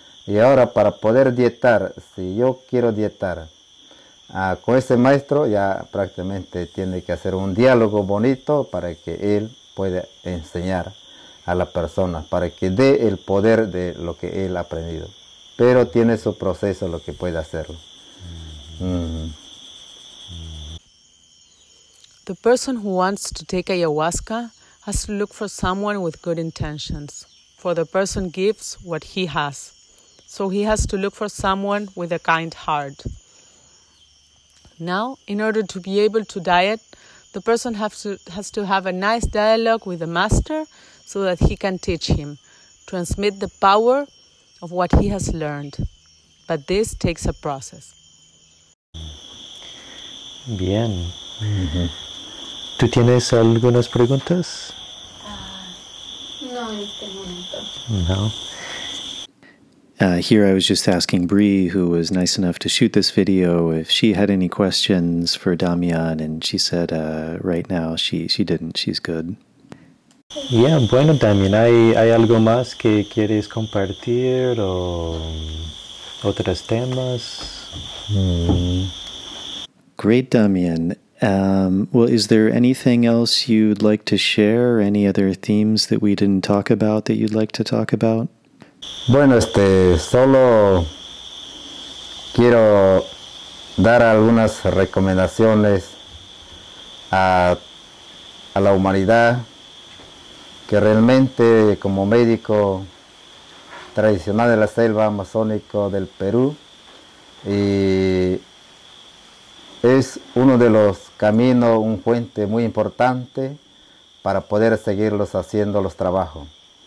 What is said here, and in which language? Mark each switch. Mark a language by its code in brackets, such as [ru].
[es] Y ahora, para poder dietar, si yo quiero dietar, con ese maestro ya prácticamente tiene que hacer un diálogo bonito para que él pueda enseñar a la persona, para que dé el poder de lo que él ha aprendido. Pero tiene su proceso lo que puede hacerlo. [en] The person who wants to take ayahuasca has to look for someone with good intentions, for the person gives what he has. So he has to look for someone with a kind heart. Now, in order to be able to diet, the person has to have a nice dialogue with the master so that he can teach him, transmit the power of what he has learned. But this takes a process. [es] Bien. Mm-hmm. ¿Tú tienes algunas preguntas? No, en este momento. No. [en] Here I was just asking Bree, who was nice enough to shoot this video, if she had any questions for Damian, and she said right now she didn't. She's good. [es] Yeah, bueno, Damian, ¿hay algo más que quieres compartir o otros temas? [en] Great, Damian. Well, is there anything else you'd like to share, any other themes that we didn't talk about that you'd like to talk about? [es] Bueno, solo quiero dar algunas recomendaciones a la humanidad, que realmente como médico tradicional de la selva amazónica del Perú, y es uno de los caminos, un puente muy importante para poder seguirlos haciendo los trabajos.